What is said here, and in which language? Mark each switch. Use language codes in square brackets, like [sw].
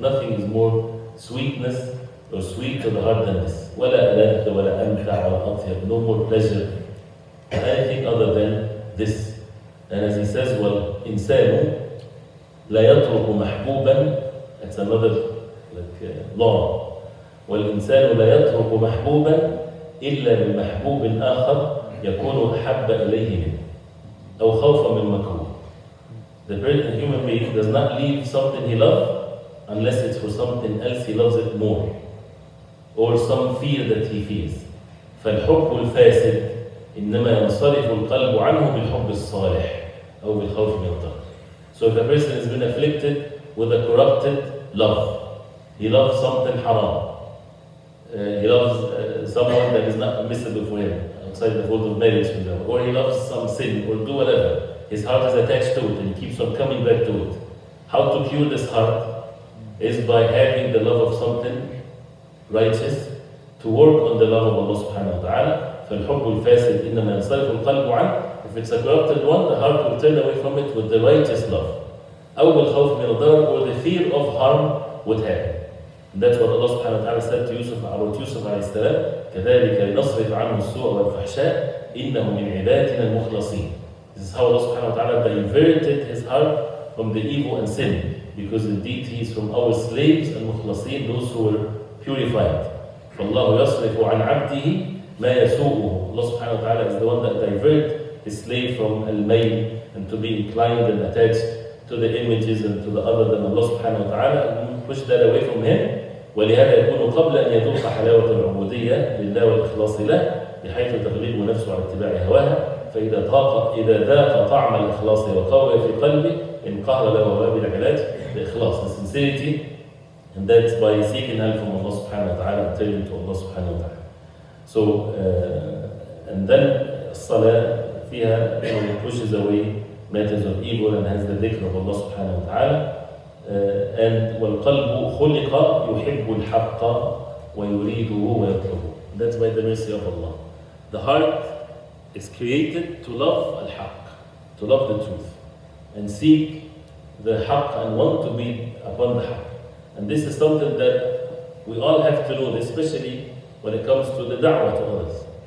[en] Nothing is more sweetness or sweet to the heart than this. [ar] ولا ألذ ولا أمتع ولا أطيب. [en] No more pleasure. Anything other than this. And as he says, [ar] والإنسان لا يترك محبوبا. [en] That's another law. [ar] والإنسان لا يترك محبوبا إلا بمحبوب آخر يكون أحب إليه منه. أو خوفا من مكروه. [en] The human being does not leave something he loves unless it's for something else he loves it more or some fear that he feels. [ar] فالحب الفاسد إنما ينصرف القلب عنه بالحب الصالح أو بالخوف من الضر. [en] So if a person has been afflicted with a corrupted love, he loves something haram, he loves someone that is not permissible for him outside the fold of marriage with them, or he loves some sin or do whatever. His heart is attached to it and he keeps on coming back to it. How to cure this heart is by having the love of something righteous to work on the love of Allah subhanahu wa ta'ala. [ar] فَالْحُبُّ الْفَاسِدْ إِنَّمَا يَنْصَرِفُ الْقَلْبُ عَنْ [en] If it's a corrupted one, the heart will turn away from it with the righteous love. [ar] أَوْ بِالْخَوْفِ مِنَ الضَّرَرِ [en] Or the fear of harm would happen. And that's what Allah subhanahu wa ta'ala said to Yusuf, about Yusuf alayhi salam, [ar] كَذَلِكَ لِنَصْرِفْ عَنْهُ السُّوءَ وَالْفَحْشَاءَ إِنَّهُ مِنْ عِبَادِنَا الْمُخْلَصِينَ [en] This is how Allah subhanahu wa ta'ala diverted his heart from the evil and sin. Because indeed he is from our slaves and mukhlaseen, those who were pure. purified. [ar] فالله يصرف عن عبده ما يسوءه. [en] الله سبحانه وتعالى is the one that divert his slave from al-mail and to be inclined and attached to the images and to the other than Allah سبحانه وتعالى and push that away from him. [ar] ولهذا يكون قبل أن يذوق حلاوة العبودية لله والإخلاص له بحيث تغلب نفسه على اتباع هواها. فإذا ذاق طعم الإخلاص وقوي في قلبه انقهر له باب العلاج الإخلاص, [en] the sincerity, and that's by seeking help from Allah سبحانه وتعالى and turning to Allah [ar] سبحانه وتعالى. [en] So and then [ar] الصلاة فيها [en] pushes away matters of evil and has the ذكر of Allah سبحانه وتعالى. [ar] And والقلب خلق يحب الحق ويريده ويطلبه. [en] That's by the mercy of Allah. The heart is created to love الحق, to love the truth, and seek the حق and want to be upon the حق. And this is something that we all have to know, especially when it comes to the da'wah to others.